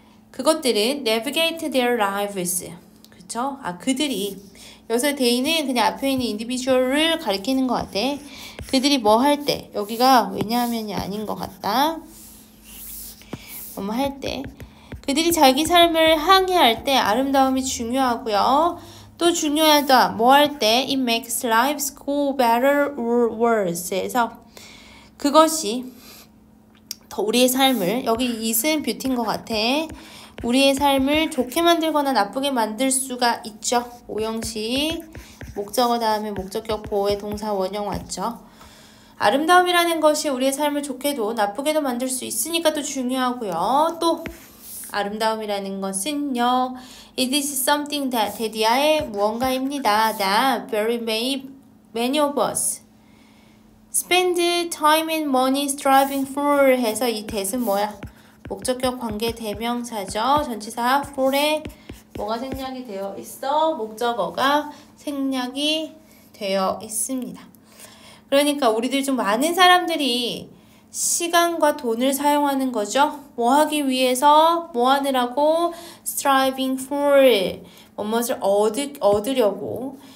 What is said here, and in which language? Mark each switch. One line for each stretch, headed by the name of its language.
Korean: 그것들은
English: navigate their lives.
Korean: 그쵸? 아, 그들이. 여기서 they는 그냥 앞에 있는 individual을 가리키는 것 같아. 그들이 뭐 할 때. 여기가 왜냐하면이 아닌 것 같다. 뭐 할 때. 그들이 자기 삶을 항해할 때 아름다움이 중요하고요. 또 중요하다. 뭐 할 때.
English: It makes lives go better or worse.
Korean: 해서 그것이 더 우리의 삶을, 여기 is은 beauty인 것 같아. 우리의 삶을 좋게 만들거나 나쁘게 만들 수가 있죠. 오형식. 목적어 다음에 목적격 보호의 동사 원형 왔죠. 아름다움이라는 것이 우리의 삶을 좋게도 나쁘게도 만들 수 있으니까 또 중요하고요. 또 아름다움이라는 것은요.
English: It is something that
Korean: 대디아의 무언가입니다.
English: That very many of us spend time and money striving for
Korean: 해서 이 that은 뭐야? 목적격 관계 대명사죠. 전치사 for에 뭐가 생략이 되어 있어? 목적어가 생략이 되어 있습니다. 그러니까 우리들 좀 많은 사람들이 시간과 돈을 사용하는 거죠. 뭐 하기 위해서, 뭐 하느라고,
English: striving for,
Korean: 무엇을 얻으려고.